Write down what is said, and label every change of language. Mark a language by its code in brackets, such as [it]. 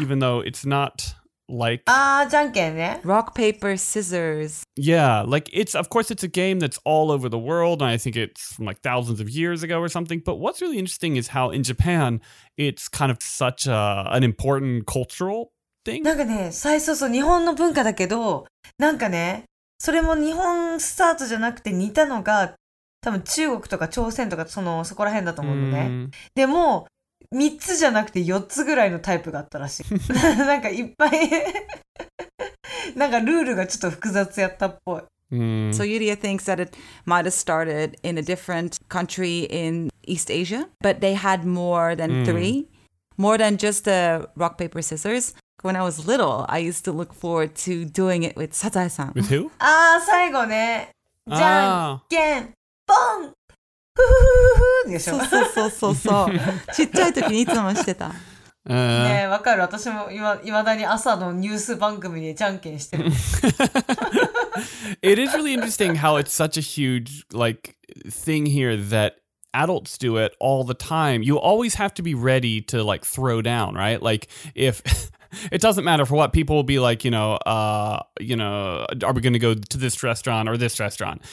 [en] Even though it's not like... [ja] Ah, janken, ne? [en] Rock, paper, scissors. Yeah, like, it's of course, it's a game that's all over the world, and I think it's from like thousands of years ago or something. But what's really interesting is how in Japan, it's kind of such an important cultural thing. [ja] なんかね、最初そう、日本の文化だけど、なんかね、それも日本スタートじゃなくて似たのが、多分中国とか朝鮮とかそのそこら辺だと思うのね。でも、3つじゃなくて4つぐらいのタイプがあったらしい。なんかいっぱい、なんかルールがちょっと複雑やったっぽい。 [en] So Yuria thinks that it might have started in a different country in East Asia, but they had more than three, more than just the rock, paper, scissors. When I was little, I used to look forward to doing it with Sazae-san. With who? [ja] Ah, 最後ね。じゃんけん、ポン、フフフフフ。そうそうそうそう。ちっちゃい時にいつもしてた。ねえ、わかる。私もいまだに朝のニュース番組でじゃんけんしてる。 [en] It is really interesting how it's such a huge, like, thing here that adults do it all the time. You always have to be ready to, like, throw down, right? Like, if... It doesn't matter for what people will be like, you know, are we going to go to this restaurant or this restaurant?